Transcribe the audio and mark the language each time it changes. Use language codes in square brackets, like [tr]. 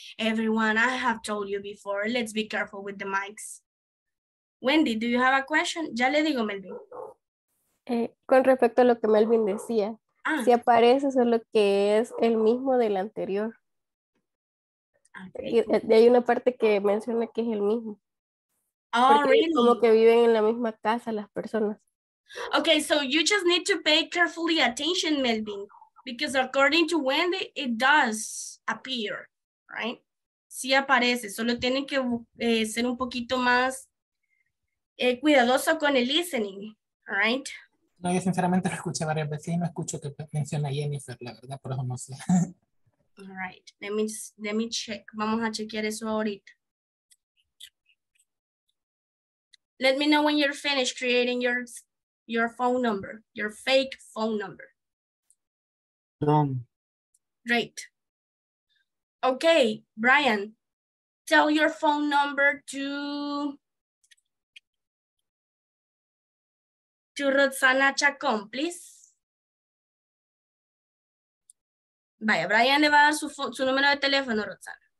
[en] Everyone, I have told you before, let's be careful with the mics. Wendy, do you have a question? [es] Ya le digo, Melvin. Con respecto a lo que Melvin decía, si aparece, solo que es el mismo del anterior. Y hay una parte que menciona que es el mismo. Oh, porque really? Como que viven en la misma casa las personas. [en] Okay, so you just need to pay carefully attention, Melvin, because according to Wendy, it does appear, right? [es] Sí aparece, solo tienen que ser un poquito más cuidadoso con el listening, right? No, yo sinceramente lo escuché varias veces y no escucho que menciona Jennifer, la verdad, por eso no sé. [en] All right, let me check. [es] Vamos a chequear eso ahorita. [en] Let me know when you're finished creating your phone number, your fake phone number. Done. Great. Okay, Brian, tell your phone number to Roxana Chacon, please. [es] Vaya, Brian le va a dar su número de teléfono, Roxana.